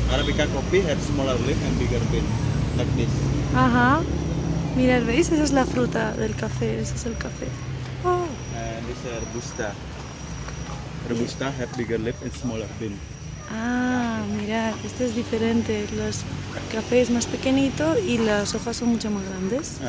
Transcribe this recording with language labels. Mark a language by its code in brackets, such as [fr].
[en] Arábica coffee has smaller leaf and bigger bean, like this. [es] Ajá. Mirad, ¿veis? Esa es la fruta del café, ese es el café. [en] Oh. And this is Robusta. Robusta has bigger leaf and smaller bean. [es] Ah, mirad, este es diferente. Los cafés es más pequeñito y las hojas son mucho más grandes.